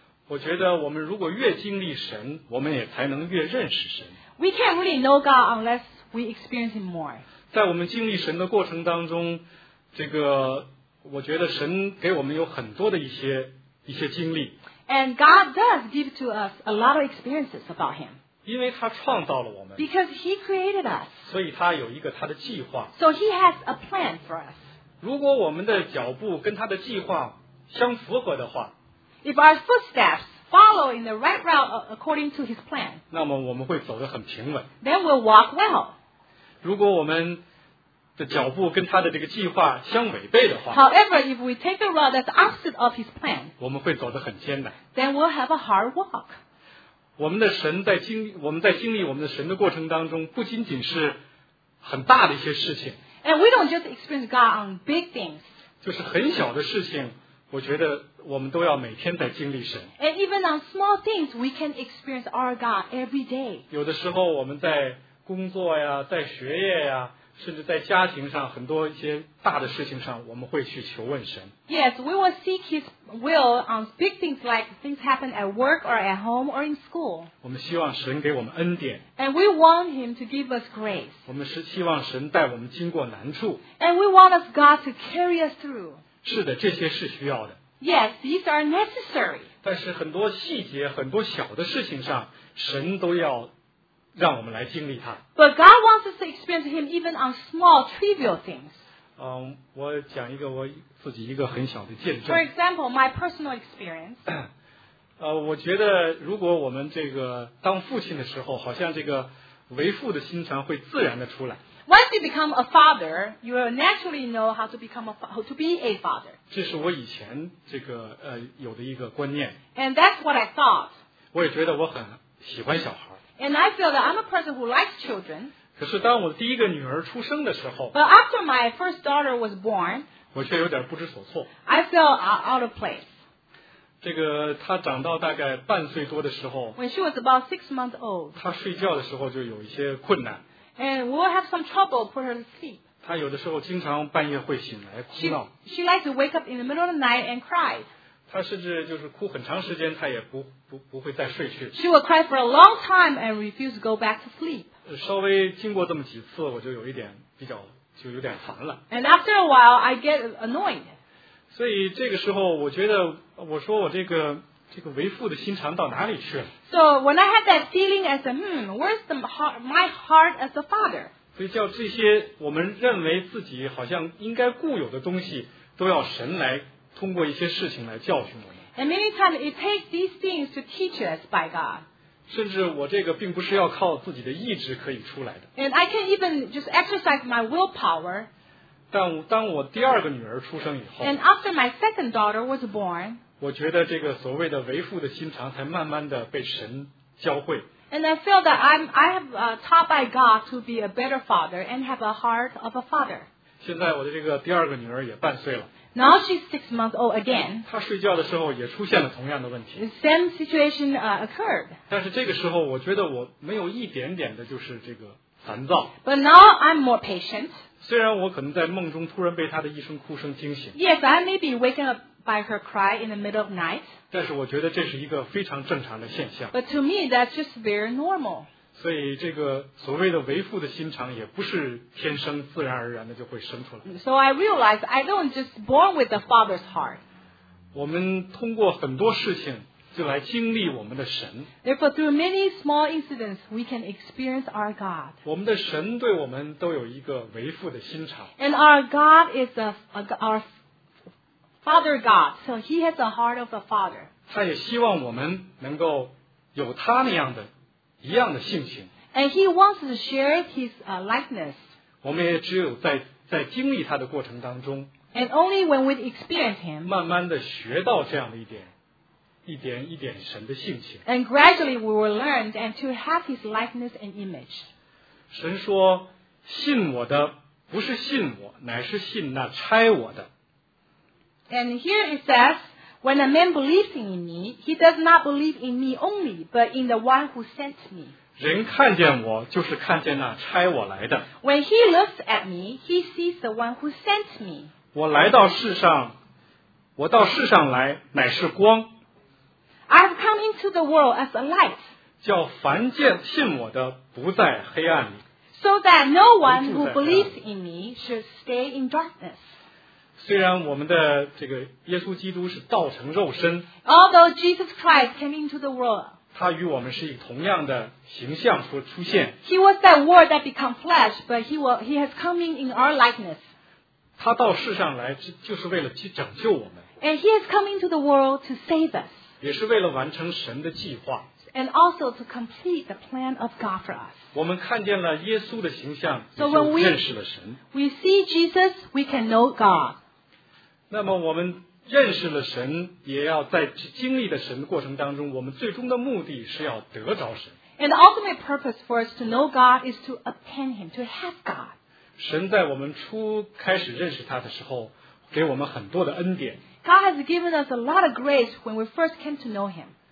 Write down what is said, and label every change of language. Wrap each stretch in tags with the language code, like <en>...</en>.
<zh>我觉得我们如果越经历神，我们也才能越认识神。</zh> <en>We can't really know God unless we experience him more.</en> <zh>在我们经历神的过程当中，这个我觉得神给我们有很多的一些经历。</zh> <en>And God does give to us a lot of experiences about him.</en> <zh>因为他创造了我们。</zh> <en>Because he created us.</en> <zh>所以他有一个他的计划。</zh> <en>So he has a plan for us.</en> <zh>如果我们的脚步跟他的计划相符合的话。</zh> <en>If our footsteps follow in the right route according to his plan.</en> <zh>那么我们会走得很平稳。</zh> <en>Then we'll walk well.</en> <zh>如果我们的脚步跟他的这个计划相违背的话</zh> <en>However, if we take a route that's opposite of his plan,</en> <zh>我们会走得很艰难</zh> <en>Then we'll have a hard walk.</en> <zh>我们在经历我们的神的过程当中不仅仅是很大的一些事情</zh> <en>And we don't just experience God on big things.</en> <zh>就是很小的事情我觉得我们都要每天在经历神</zh> <en>And even on small things, we can experience our God every day.</en> <zh>有的时候我们在工作呀在学业呀甚至在家庭上很多一些大的事情上我们会去求问神</zh> <en>Yes, we will seek his will on big things like things happen at work or at home or in school</en> <zh>我们希望神给我们恩典</zh> <en>And we want him to give us grace</en> <zh>我们是希望神带我们经过难处</zh> <en>And we want us God to carry us through</en> <zh>是的这些是需要的</zh> <en>Yes, these are necessary</en> <zh>但是很多细节很多小的事情上神都要让我们来经历他。</zh> <en>But God wants us to experience him even on small, trivial things.</en> <zh>我讲一个我自己一个很小的见证。</zh> <en>For example, my personal experience.</en> <zh>我觉得如果我们这个当父亲的时候，好像这个为父的心肠会自然的出来。</zh> <en>Once you become a father, you will naturally know how to become to be a father.</en> <zh>这是我以前这个有的一个观念。</zh> <en>And that's what I thought.</en> <zh>我也觉得我很喜欢小孩。</zh> <en>And I feel that I'm a person who likes children.</en> <zh>可是当我第一个女儿出生的时候</zh> <en>But after my first daughter was born,</en> <zh>我却有点不知所措</zh> <en>I feel out of place.</en> <zh>这个她长到大概半岁多的时候</zh> <en>When she was about 6 months old,</en> <zh>她睡觉的时候就有一些困难</zh> <en>And we'll have some trouble put her to sleep.</en> <zh>她有的时候经常半夜会醒来哭闹</zh> <en>She likes to wake up in the middle of the night and cry.</en> <zh>她甚至就是哭很长时间她也不会再睡去。</zh> <en>She will cry for a long time and refuse to go back to sleep.</en> <zh>稍微经过这么几次，我就有一点比较，就有点烦了。</zh> <en>And after a while, I get annoyed.</en> <zh>所以这个时候，我觉得我说我这个为父的心肠到哪里去了</zh> <en>？So when I had that feeling, I said, where's my heart as a father?</en> <zh>所以叫这些我们认为自己好像应该固有的东西，都要神来通过一些事情来教训我们。</zh> <en>And many times it takes these things to teach us by God.</en> <zh>甚至我这个并不是要靠自己的意志可以出来的。</zh> <en>And I can even just exercise my willpower.</en> <zh>但当我第二个女儿出生以后</zh> <en>And after my second daughter was born.</en> <zh>我觉得这个所谓的为父的心肠才慢慢的被神教会。</zh> <en>And I feel that I have taught by God to be a better father and have a heart of a father.</en> <zh>现在我的这个第二个女儿也半岁了。</zh> <en>Now she's 6 months old again.</en> <zh>她睡觉的时候也出现了同样的问题。</zh> <en>The same situation occurred.</en> <zh>但是这个时候我觉得我没有一点点的就是这个烦躁。</zh> <en>But now I'm more patient.</en> <zh>虽然我可能在梦中突然被她的一声哭声惊醒。</zh> <en>Yes, I may be waken up by her cry in the middle of night.</en> <zh>但是我觉得这是一个非常正常的现象。</zh> <en>But to me, that's just very normal.</en> <zh>所以这个所谓的为父的心肠也不是天生自然而然的就会生出来。</zh> <en>So I realized I don't just born with the father's heart.</en> <zh>我们通过很多事情就来经历我们的神。</zh> <en>Therefore, through many small incidents, we can experience our God.</en> <zh>我们的神对我们都有一个为父的心肠。</zh> <en>And our God is our father God, so he has a heart of a father.</en> <zh>他也希望我们能够有他那样的一样的性情</zh> <en>And he wants to share his likeness</en> <zh>我们也只有在经历他的过程当中</zh> <en>And only when we experience him</en> <zh>慢慢的学到这样的一点神的性情</zh> <en>And gradually we will learn and to have his likeness and image</en> <zh>神说信我的不是信我乃是信那差我的</zh> <en>And here it says When a man believes in me, he does not believe in me only, but in the one who sent me.</en> <zh>人看见我，就是看见那差我来的。</zh> <en>When he looks at me, he sees the one who sent me.</en> <zh>我来到世上，我到世上来乃是光。</zh> <en>I have come into the world as a light.</en> <zh>叫凡见信我的不在黑暗里。</zh> <en>So that no one who believes in me should stay in darkness.</en> <zh>虽然我们的这个耶稣基督是道成肉身。</zh> <en>Although Jesus Christ came into the world.</en> <zh>他与我们是以同样的形象所出现。</zh> <en>He was that word that became flesh, but he has come in our likeness.</en> <zh>他到世上来就是为了去拯救我们。</zh> <en>And he has come into the world to save us.</en> <zh>也是为了完成神的计划。</zh> <en>And also to complete the plan of God for us.</en> <zh>我们看见了耶稣的形象，也就认识了神。</zh> <en>So when we see Jesus, we can know God.</en> <zh>那么我们认识了神，也要在经历的神的过程当中，我们最终的目的是要得着神。</zh> <en>And the ultimate purpose for us to know God is to obtain Him, to have God.</en> <zh>神在我们初开始认识他的时候，给我们很多的恩典。</zh> <en>God has given us a lot of grace when we first came to know Him.</en>